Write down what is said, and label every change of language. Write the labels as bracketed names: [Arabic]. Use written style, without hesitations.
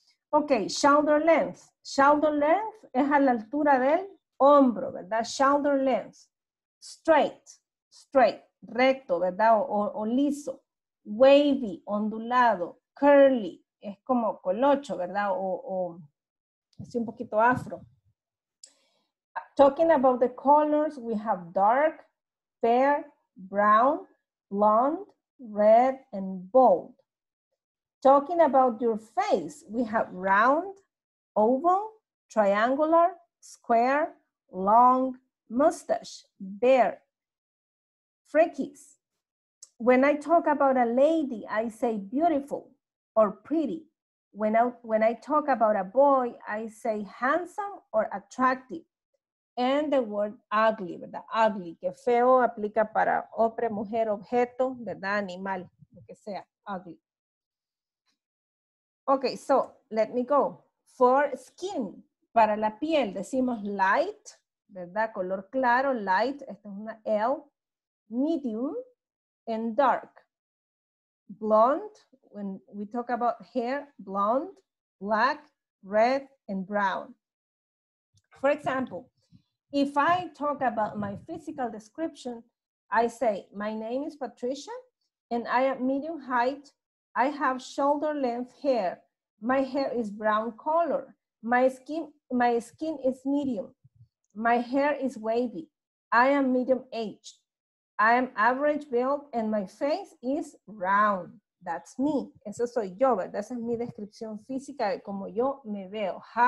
[English] Ok, shoulder length. Shoulder length [Spanish] es a la altura del hombro, ¿verdad? [English] Shoulder length, straight, straight. [Spanish] Recto, ¿verdad? O liso, wavy, ondulado, curly, es como colocho, ¿verdad? O así un poquito afro. [English] Talking about the colors, we have dark, fair, brown, blonde, red, and bold. Talking about your face, we have round, oval, triangular, square, long, mustache, bare. Freckles. When I talk about a lady, I say beautiful or pretty. When I talk about a boy, I say handsome or attractive. And the word ugly, [Spanish] ¿verdad? [English] Ugly, [Spanish] que feo, aplica para hombre, mujer, objeto, ¿verdad? Animal, lo que sea, [English] ugly. Okay, so let me go. For skin, [Spanish] para la piel, decimos [English] light, [Spanish] ¿verdad? Color claro, [English] light, [Spanish] esto es una L. [English] Medium and dark, blonde, when we talk about hair, blonde, black, red, and brown. For example, if I talk about my physical description, I say, my name is Patricia, and I am medium height, I have shoulder length hair, my hair is brown color, my skin is medium, my hair is wavy, I am medium aged. I am average build and my face is round. That's me. [Spanish] Eso soy yo, ¿verdad? Esa es mi descripción física de cómo yo me veo.